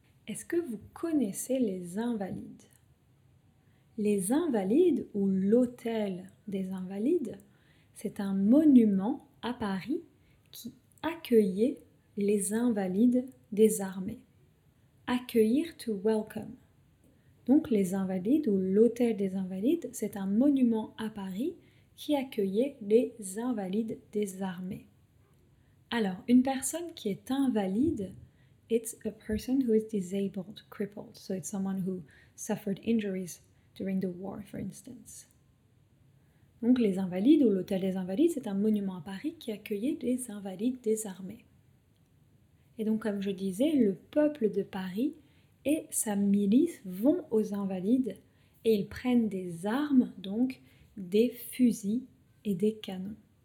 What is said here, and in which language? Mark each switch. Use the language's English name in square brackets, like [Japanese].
[French] Est-ce que vous connaissez les Invalides? Les Invalides, ou l'hôtel des Invalides, c'est un monument à Paris qui accueillait les Invalides des armées. Accueillir, [English] to welcome. [French] Donc les Invalides ou l'hôtel des Invalides, c'est un monument à Paris qui accueillait les Invalides des armées. Alors, une personne qui est invalide, [English] it's a person who is disabled, crippled. So it's someone who suffered injuries during the war, for instance. [French] Donc, les Invalides ou l'Hôtel des Invalides, c'est un monument à Paris qui accueillait des Invalides des armées. Et donc, comme je disais, le peuple de Paris et sa milice vont aux Invalides et ils prennent des armes, donc des fusils et des canons.